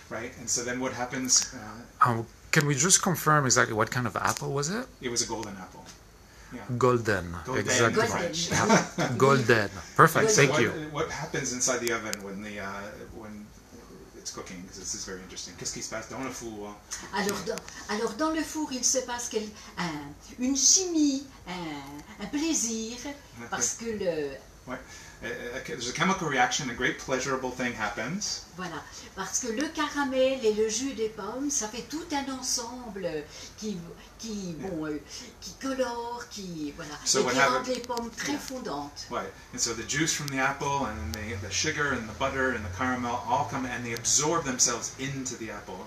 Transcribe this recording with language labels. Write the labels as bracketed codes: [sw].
[en] Right? And so then what happens? Can we just confirm exactly what kind of apple was it? It was a golden apple. Yeah. Golden. Golden, exactly. Golden, yeah. Golden. Perfect. Thank you. What happens inside the oven when it's cooking? Because this is very interesting. [fr] Qu'est-ce qui se passe dans le four? Alors dans le four, il se passe une chimie, un plaisir, parce que [en] There's a chemical reaction, a great pleasurable thing happens. [fr] Voilà, parce que le caramel et le jus des pommes, ça fait tout un ensemble qui yeah. bon, qui colore, qui voilà, [en] so [fr] et qui rend [en] happened, [fr] les pommes très yeah. fondantes. [en] Right, and so the juice from the apple and the sugar and the butter and the caramel all come and they absorb themselves into the apple.